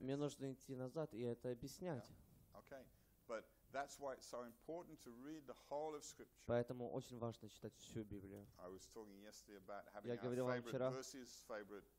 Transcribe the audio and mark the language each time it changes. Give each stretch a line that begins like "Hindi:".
Russian: Мне нужно идти назад и это объяснять. Yeah.
English: Okay, but that's why it's so important to read the whole of Scripture.
Russian: Поэтому очень важно читать всю Библию.
English: I was talking yesterday about having our favorite verses, favorite